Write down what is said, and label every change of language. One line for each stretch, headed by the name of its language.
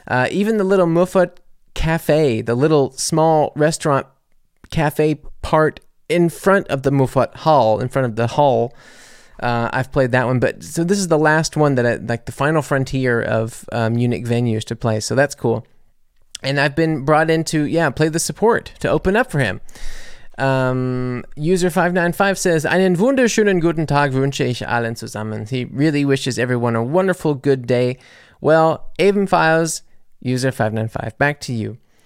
English: Even the little Mufad Cafe, the little small restaurant cafe part in front of the Mufad Hall, in front of the hall, I've played that one. But so this is the last one that the final frontier of Munich venues to play. So that's cool. And I've been brought in to, play the support to open up for him. User 595 says,
German: einen wunderschönen guten Tag wünsche ich allen zusammen.
English: He really wishes everyone a wonderful good day. Well, ebenfalls, user 595, back to you.